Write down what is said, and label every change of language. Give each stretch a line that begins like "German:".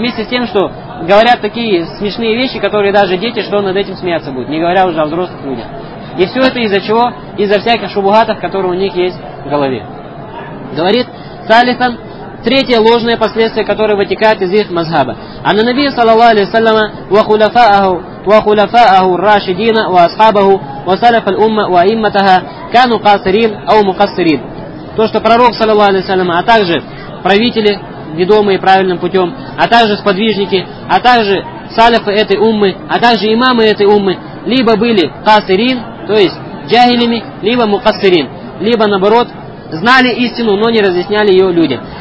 Russian: Вместе с тем, что говорят такие смешные вещи, которые даже дети, что над этим смеяться будут, не говоря уже о взрослых людях. И все это из-за чего? Из-за всяких шубугатов, которые у них есть в голове. Говорит Салихан, третье ложное последствие, которое вытекает из их мазхаба.
Arabic: А на Набия, саллаллаху алейхи ва саллям, ва хулафа аху, وخلفاءه الراشدين وأصحابه وسلف الأمة وأئمتها كانوا قاصرين أو مقصرين.
Russian: То, что пророк,
Arabic: саллаллаху алейхи ва саллям,
Russian: а также правители, ведомые правильным путем, а также сподвижники, а также салифы этой уммы, а также имамы этой уммы, либо были касырин, то есть джахилями, либо мукасырин, либо наоборот, знали истину, но не разъясняли ее людям.